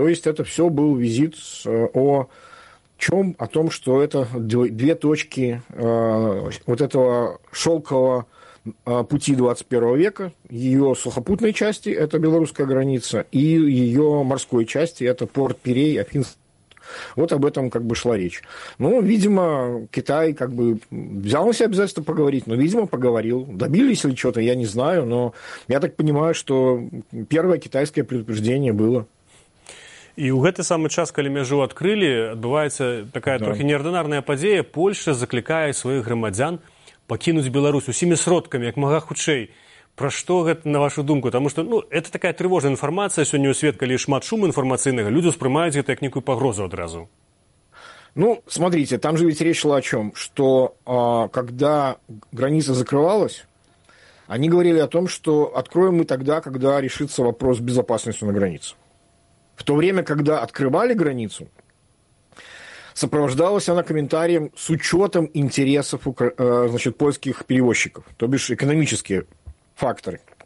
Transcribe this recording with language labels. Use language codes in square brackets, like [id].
[ru] То есть это все был визит о том, что это две точки вот этого шелкового пути 21 века, ее сухопутной части, это белорусская граница, и ее морской части, это порт Пирей, Афинский. Вот об этом как бы шла речь. Ну, видимо, Китай как бы взял на себя обязательство поговорить, но, видимо, поговорил. Добились ли чего-то, я не знаю, но я так понимаю, что первое китайское предупреждение было. [be] І у гэты самы час, калі мяжу адкрылі, адбываецца такая трохі неардынарная падзея. Польша заклікае сваіх грамадзян пакінуць Беларусь усімі сродкамі, як мага хутчэй. Пра што гэта, на вашу думку? Таму што, ну, это такая трывожная інфармацыя сёння ў свет, калі шмат шуму інфармацыйнага, людзі ўспрымаюць гэта як некую пагрозу адразу. [ru] Ну, смотрите, там же ведь речь шла о чем, что когда граница закрывалась, они говорили о том, что откроем мы тогда, когда решится вопрос безопасности на границе. В то время, когда открывали границу, сопровождалась она комментарием с учетом интересов польских перевозчиков, то бишь экономические факторы.